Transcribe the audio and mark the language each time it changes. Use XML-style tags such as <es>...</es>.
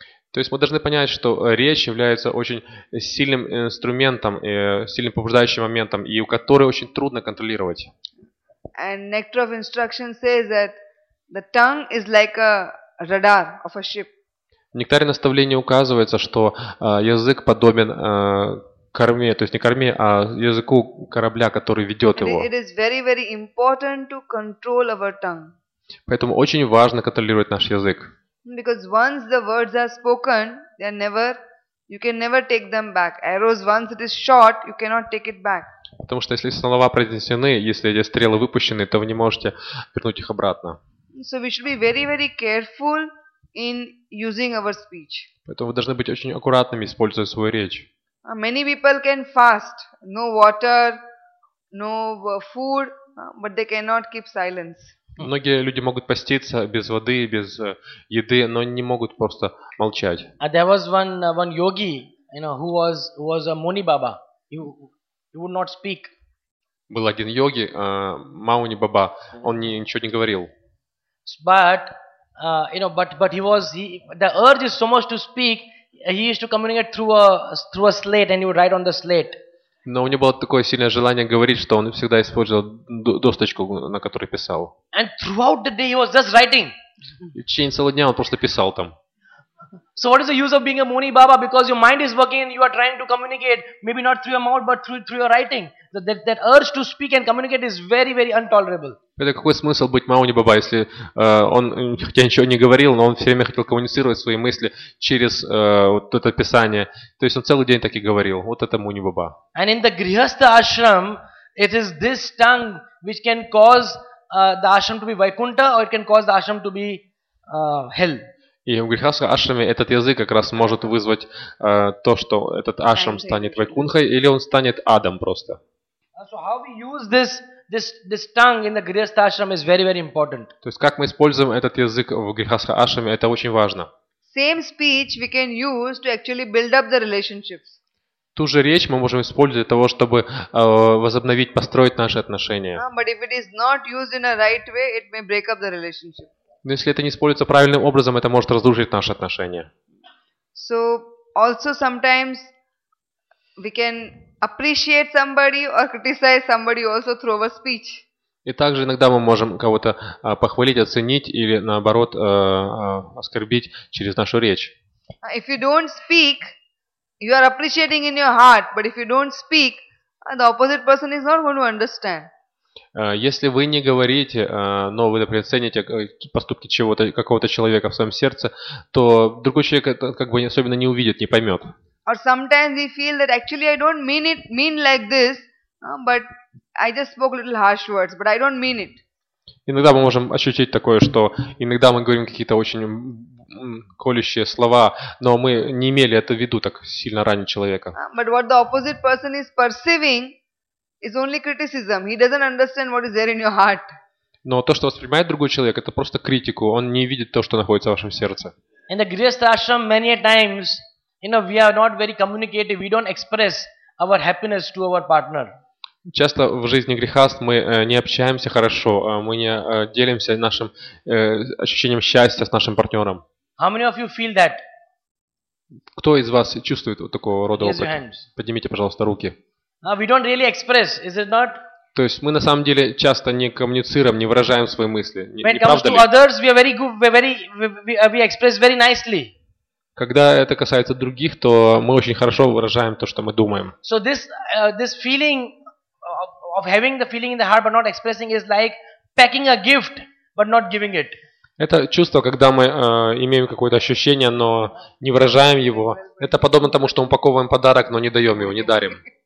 <ru>То есть мы должны понять, что речь является очень сильным инструментом, сильным побуждающим моментом, и который очень трудно контролировать.</ru> <en>And Nectar of Instruction says that the tongue is like a radar of a ship.</en> <ru>В Нектаре наставления указывается, что язык подобен корме, то есть не корме, а языку корабля, который ведет его.</ru> <en>It is very, very important to control our tongue.</en> <ru>Поэтому очень важно контролировать наш язык.</ru> <en>Because once the words are spoken, they are never, you can never take them back. Arrows, once it is shot, you cannot take it back.</en> <ru>Потому что если слова произнесены, если эти стрелы выпущены, то вы не можете вернуть их обратно.</ru> <en>So we should be very, very careful in using our speech.</en> <ru>Поэтому вы должны быть очень аккуратными, используя свою речь.</ru> <en>Many people can fast, no water, no food, but they cannot keep silence.</en> <ru>Многие люди могут поститься без воды, без еды, но они не могут просто молчать.</ru> <en>And there was one yogi, you know, who was a Muni Baba. He would not speak.</en> <ru>Был один йоги, Мауни Баба, он ничего не говорил.</ru> <en>But you know, but the urge is so much to speak. He used to communicate through a slate, and he would write on the slate.</en> <ru>Но у него было такое сильное желание говорить, что он всегда использовал досточку, на которой писал.</ru> <en>And throughout the day he was just writing.</en> <ru>И в течение целого дня он просто писал там.</ru> <en>So what is the use of being a Muni Baba? Because your mind is working, you are trying to communicate, maybe not through your mouth, but through your writing. That urge to speak and communicate is very, very intolerable.</en> <ru>Это какой смысл быть Мауни Баба, если он хотя ничего не говорил, но он все время хотел коммуницировать свои мысли через вот это писание. То есть он целый день так и говорил. Вот это Муни Баба.</ru> <en>And in the Grihastha ashram, it is this tongue which can cause the ashram to be Vaikunta, or it can cause the ashram to be hell.</en> <ru>И в грихастха ашраме этот язык как раз может вызвать то, что этот ашрам станет Вайкунхой, или он станет адом просто.</ru> <en>So how we use this tongue in the grihastha ashram is very, very important.</en> <ru>То есть как мы используем этот язык в грихастха ашраме, это очень важно.</ru> <en>Same speech we can use to actually build up the relationships.</en> <ru>Ту же речь мы можем использовать для того, чтобы возобновить, построить наши отношения.</ru> <en>But if it is not used in a right way, it may break up the relationship.</en> <ru>Но если это не используется правильным образом, это может разрушить наши отношения.</ru> <en>So also sometimes we can appreciate somebody or criticize somebody also through our speech.</en> <ru>И также иногда мы можем кого-то похвалить, оценить или наоборот оскорбить через нашу речь.</ru> <en>If you don't speak, you are appreciating in your heart, but if you don't speak, the opposite person is not going to understand.</en> <ru>Если вы не говорите, но вы, например, цените поступки чего-то, какого-то человека в своем сердце, то другой человек это как бы особенно не увидит, не поймет.</ru> <en>Or sometimes we feel that actually I don't mean it, mean like this, but I just spoke little harsh words, but I don't mean it.</en> <ru>Иногда мы можем ощутить такое, что иногда мы говорим какие-то очень колющие слова, но мы не имели это в виду, так сильно ранить человека.</ru> <en>But what the opposite person is perceiving is only criticism. He doesn't understand what is there in your heart.</en> <ru>Но то, что воспринимает другой человек, это просто критику. Он не видит то, что находится в вашем сердце.</ru> <en>In the grihastha ashram, many a times, you know, we are not very communicative. We don't express our happiness to our partner.</en> <ru>Часто в жизни грихаст мы не общаемся хорошо. Мы не делимся нашим ощущением счастья с нашим партнером.</ru> <en>How many of you feel that?</en> <ru>Кто из вас чувствует вот такого рода опыт? Поднимите, пожалуйста, руки.</ru> <en>We don't really express, is it not?</en> <ru>То есть мы на самом деле часто не коммуницируем, не выражаем свои мысли.</ru> <en>When it comes to others, we are very good, we express very nicely.</en> <ru>Когда это касается других, то мы очень хорошо выражаем то, что мы думаем.</ru> <en>So this feeling of having the feeling in the heart but not expressing is like packing a gift but not giving it.</en> <ru>Это чувство, когда мы имеем какое-то ощущение, но не выражаем его. Это подобно тому, что мы упаковываем подарок, но не даем его, не дарим.</ru>